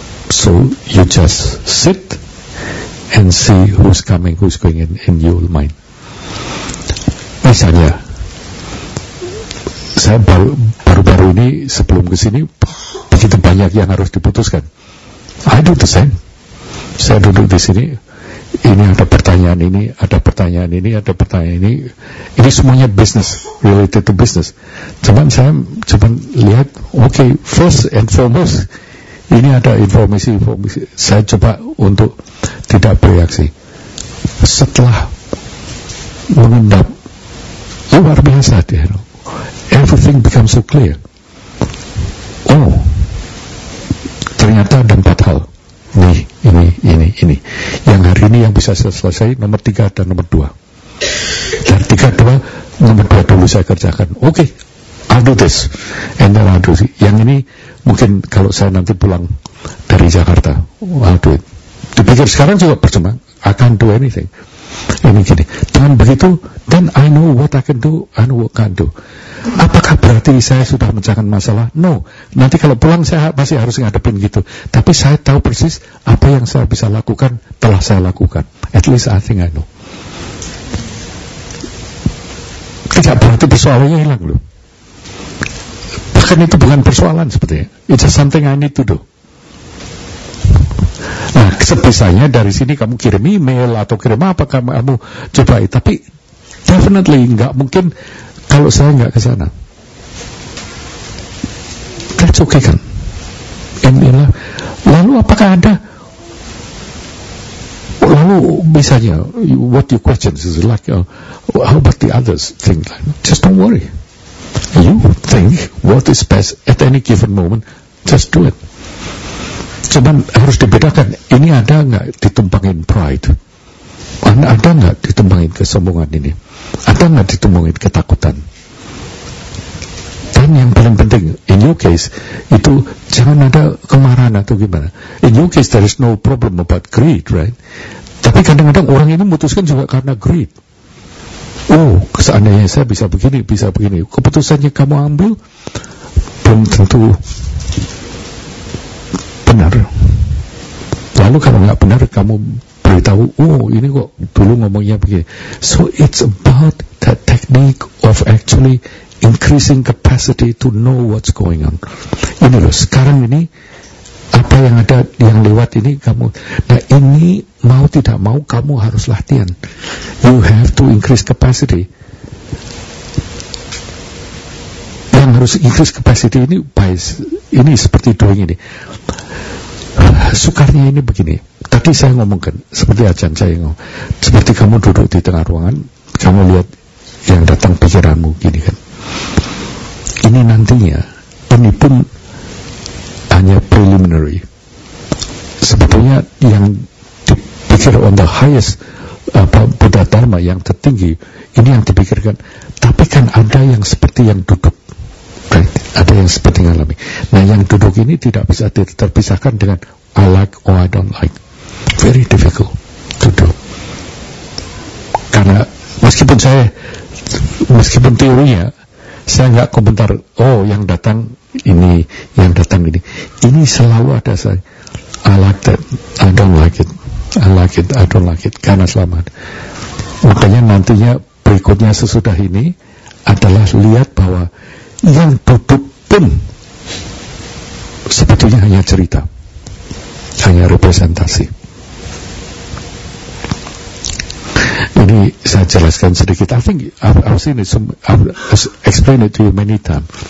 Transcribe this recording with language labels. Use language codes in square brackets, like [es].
[en] So you just sit and see who's coming, who's going in your mind. [id] Misalnya saya baru-baru ini sebelum kesini begitu banyak yang harus diputuskan. [en] I do the same. [id] Saya duduk di sini, ini ada pertanyaan ini, ada pertanyaan ini, ada pertanyaan ini. Ini semuanya business, [en] related to business. [id] Cuma saya lihat, okay, [en] first and foremost, [id] ini ada informasi-informasi. Saya coba untuk tidak bereaksi. Setelah mengendap, luar biasa, [en] you know, everything becomes so clear. [id] Oh, ternyata ada 4 hal. Ini. Yang hari ini yang bisa saya selesai, nomor 3 dan nomor 2. Dan 3-2, nomor 2 dulu saya kerjakan. [en] Okay, I'll do this. And then I'll do this. [id] Yang ini mungkin kalau saya nanti pulang dari Jakarta, [en] I'll do it. [id] Dipikir sekarang juga percuma. [en] I can't do anything. [id] Ini gini. Dengan begitu, [en] then I know what I can do and what I can't do. [id] Apakah berarti saya sudah mencahkan masalah? No. Nanti kalau pulang saya masih harus ngadepin gitu. Tapi saya tahu persis apa yang saya bisa lakukan, telah saya lakukan. [en] At least I think I know. [id] Tidak berarti persoalannya hilang loh. Bahkan itu bukan persoalan sepertinya. [en] It's just something I need to do. [id] Nah, sebisanya dari sini kamu kirim email atau kirim apa kamu coba. Tapi definitely enggak mungkin kalau saya enggak ke sana. [en] That's okay [id] kan? Inilah. Lalu apakah ada? Lalu misalnya, [en] what your questions is like, how about the others think? Just don't worry. You think what is best at any given moment, just do it. [id] Cuman harus dibedakan, ini ada enggak ditumpangin pride? Ada enggak ditumpangin kesombongan ini? Ada enggak ditumpangin ketakutan? Dan yang paling penting, [en] in your case, [id] itu jangan ada kemarahan atau gimana. [en] In your case, there is no problem about greed, right? [id] Tapi kadang-kadang orang ini memutuskan juga karena greed. Oh, seandainya saya bisa begini, keputusannya kamu ambil, belum tentu benar. Lalu kalau enggak benar, kamu beritahu, oh ini kok dulu ngomongnya begini. [en] So it's about the technique of actually increasing capacity to know what's going on. [id] Ini loh, sekarang ini apa yang ada yang lewat ini kamu. Nah ini mau tidak mau kamu harus latihan. [en] You have to increase capacity. [id] Yang harus [en] increase capacity [id] ini by, ini seperti doing ini. Sukarnya ini begini. Tadi saya ngomongkan seperti Ajahn Chah yang ngomong, seperti kamu duduk di tengah ruangan, kamu lihat yang datang pikiranmu gini kan. Ini nantinya, ini pun hanya preliminary. Sebetulnya yang dipikir [en] on the highest [id] Buddha Dharma yang tertinggi, ini yang dipikirkan. Tapi kan ada yang seperti yang duduk, right? Ada yang seperti yang alami. Nah yang duduk ini tidak bisa terpisahkan dengan [en] I like or I don't like. Very difficult to do. [id] Karena meskipun teorinya, saya enggak komentar, oh yang datang ini, yang datang ini. Ini selalu ada saya, [en] I like that, I don't like it, [id] I like it, I don't like it, karena selamat. Makanya nantinya berikutnya sesudah ini adalah lihat bahwa yang duduk pun sebetulnya hanya cerita, hanya representasi. Ini saya jelaskan sedikit. [en] I think I've seen it, I've explained it to you many times.